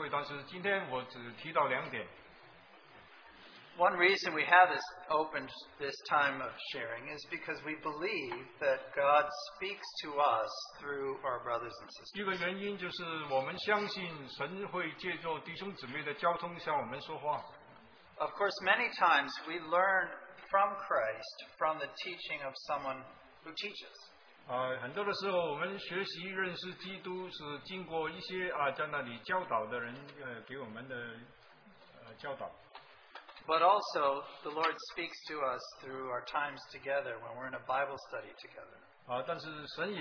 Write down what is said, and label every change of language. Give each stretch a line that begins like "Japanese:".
Chinese: 有很多的原因，我们又有这个自由交通的聚会，但是今天我只提到两点。
English: One reason we have this time of sharing is because we believe that God speaks to us through our brothers and sisters.
Chinese: 一个原因就是我们相信神会借助弟兄姊妹的交通向我们说话。
English: Of course, many times we learn from Christ from the teaching of someone who teaches.
Chinese: 很多的时候我们学习认识基督是经过一些在那里教导的人给我们的教导。
English: But also, the Lord speaks to us through our times together when we're in a Bible study together.